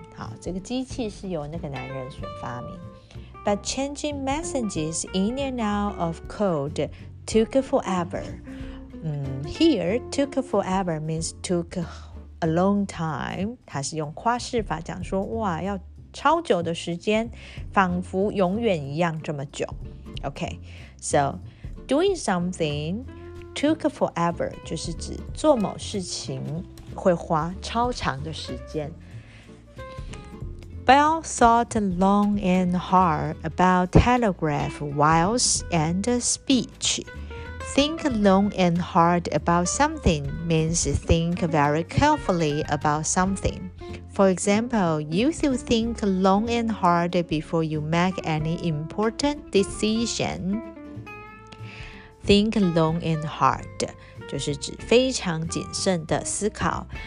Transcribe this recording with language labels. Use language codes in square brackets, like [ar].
[zh] 好，这个机器是由那个男人所发明。 [en] But changing messages in and out of code took forever. Here, took forever means took a long time. [zh] 它是用夸饰法讲说，哇，要超久的时间，仿佛永远一样这么久。 [en] Okay, so doing something took forever [zh] 就是指做某事情会花超长的时间。 [en] Bell thought long and hard about telegraph wires and speech. Think long and hard about something means think very carefully about something. For example, you should think long and hard before you make any important decision. Think long and hard. [zh] 就是指非常谨慎的思考。